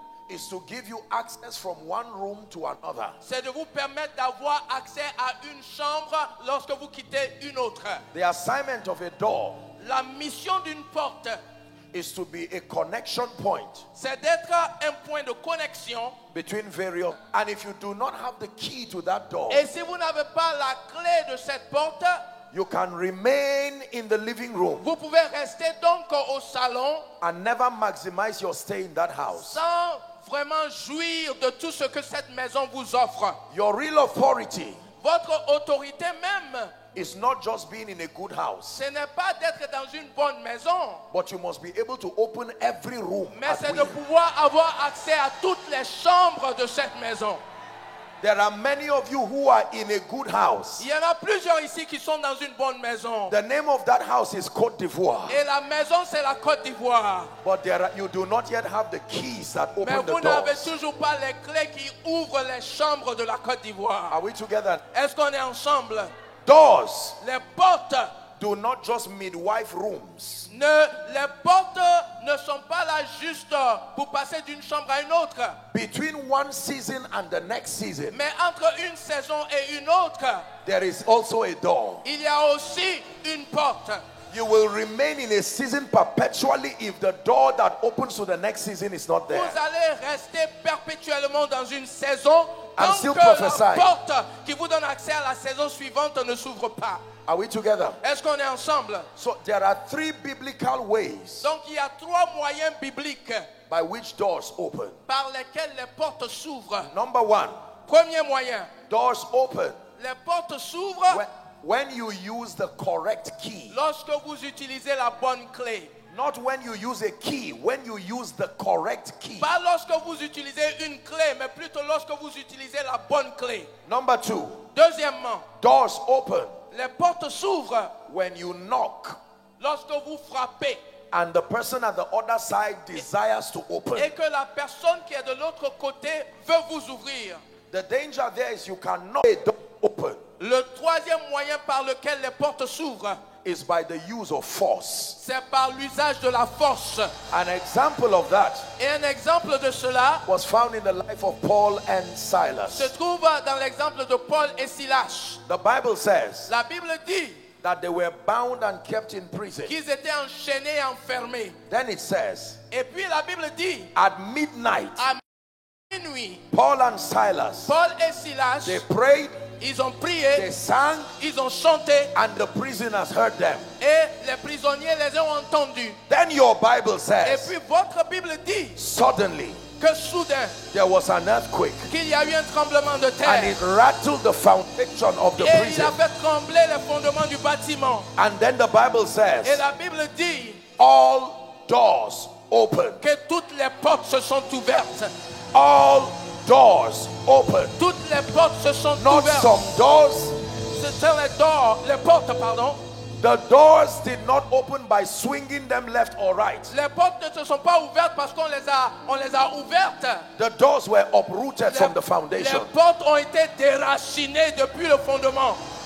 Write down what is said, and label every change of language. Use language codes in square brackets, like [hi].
[en] is to give you access from one room to another. [fr] C'est de vous permettre d'avoir accès à une chambre lorsque vous quittez une autre. [en] The assignment of a door, [fr] la mission d'une porte, [en] is to be a connection point. [fr] C'est d'être un point de connexion. [en] Between various, and if you do not have the key to that door, [fr] et si vous n'avez pas la clé de cette porte, [en] you can remain in the living room. [fr] Vous pouvez rester donc au salon, [en] and never maximize your stay in that house. [fr] Sans vraiment jouir de tout ce que cette maison vous offre. [en] Your real authority, [fr] votre autorité même, [en] it's not just being in a good house. [fr] Ce n'est pas d'être dans une bonne maison. [en] But you must be able to open every room. [fr] Mais c'est de pouvoir avoir accès à toutes les chambres de cette maison. [en] There are many of you who are in a good house. [fr] Il y en a plusieurs ici qui sont dans une bonne maison. [en] The name of that house is Côte d'Ivoire. [fr] Et la maison c'est la Côte d'Ivoire. [en] But there are, you do not yet have the keys that open the doors. [fr] Mais vous n'avez toujours pas les clés qui ouvrent les chambres de la Côte d'Ivoire. [en] Are we together? [fr] Est-ce qu'on est ensemble? [en] Doors. [fr] Les portes. [en] Do not just midwife rooms. [fr] Ne, les portes ne sont pas là juste pour passer d'une chambre à une autre. [en] Between one season and the next season. [fr] Mais entre une saison et une autre. [en] There is also a door. [fr] Il y a aussi une porte. [en] You will remain in a season perpetually if the door that opens to the next season is not there. [fr] Vous allez rester perpétuellement dans une saison [en] and [fr] tant [en] still [fr] que [en] prophesy. [fr] La porte qui vous donne accès à la saison suivante ne s'ouvre pas. [en] Are we together? [fr] Est-ce qu'on est ensemble? [en] So there are three biblical ways. [fr] Donc il y a trois moyens bibliques. [en] By which doors open? [fr] Par lesquels les portes s'ouvrent. [en] Number one. [fr] Premier moyen. [en] Doors open. [fr] Les portes s'ouvrent. [en] When you use the correct key. [fr] Lorsque vous utilisez la bonne clé. [en] Not when you use a key, when you use the correct key. [fr] Pas lorsque vous utilisez une clé, mais plutôt lorsque vous utilisez la bonne clé. [en] Number two. [fr] Deuxièmement. [en] Doors open. [fr] Les portes s'ouvrent. [en] When you knock. [fr] Lorsque vous frappez. [en] And the person at the other side desires to open. [fr] Et que la personne qui est de l'autre côté veut vous ouvrir. [en] The danger there is you cannot knock a door open. [fr] Le troisième moyen par lequel les portes s'ouvrent. [en] Is by the use of force. [fr] C'est par l'usage de la force. [en] An example of that. [fr] Et un exemple de cela. [en] Was found in the life of Paul and Silas. [fr] Se trouve dans l'exemple de Paul et Silas. [en] The Bible says. [fr] La Bible dit. [en] That they were bound and kept in prison. [fr] Qu'ils étaient enchaînés et enfermés. [en] Then it says. [fr] Et puis la Bible dit. [en] At midnight. [fr] À minuit. [en] Paul and Silas. [fr] Paul et Silas. [en] They prayed. [fr] Ils ont prié, [en] they sang, [fr] ils ont chanté, [en] and the prisoners heard them. [fr] Et les prisonniers les ont entendus. [en] Then your Bible says, [fr] et puis votre Bible dit, [en] suddenly, [fr] que soudain, [en] there was an earthquake, [fr] qu'il y a eu un tremblement de terre, [en] and it rattled the foundation of the [fr] et [en] prison. [fr] Il avait tremblé les fondements du bâtiment. [en] And then the Bible says, [fr] et la Bible dit, [en] all doors open, [fr] que toutes les portes se sont ouvertes. [en] All doors open. [fr] Toutes les portes se sont [en] not [fr] ouvertes. [en] Some doors. [fr] Ce sont les [en] doors, [fr] les portes, pardon. [en] The doors did not open by swinging them left or right. [fr] Les portes ne se sont pas ouvertes parce qu'on les a ouvertes. [en] The doors were uprooted from the foundation. [fr] Les portes ont été déracinées depuis le fondement.